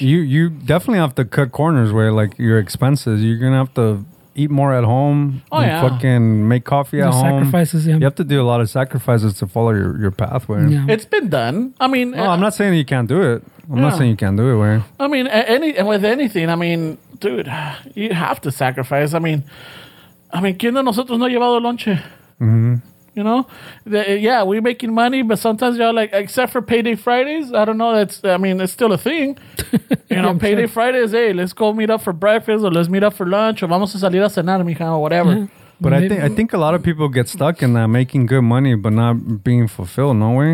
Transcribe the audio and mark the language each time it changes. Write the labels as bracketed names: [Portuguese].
[English] You definitely have to cut corners, where like your expenses, you're gonna have to eat more at home. Oh, and yeah. Fucking make coffee at home. Sacrifices, yeah. You have to do a lot of sacrifices to follow your pathway. Yeah. It's been done. I mean... No, I'm not saying you can't do it. Not saying you can't do it, Wayne. I mean, with anything, I mean, dude, you have to sacrifice. I mean, [Spanish] ¿quién de nosotros no ha llevado lonche? Mm-hmm. [English] You know? Yeah, we're making money, but sometimes you're like, except for Payday Fridays, I don't know, it's still a thing. You know, Payday Fridays, hey, let's go meet up for breakfast, or let's meet up for lunch, or [Spanish] vamos a salir a cenar, mija, [English] or whatever. But maybe. I think a lot of people get stuck in that, making good money, but not being fulfilled, no way?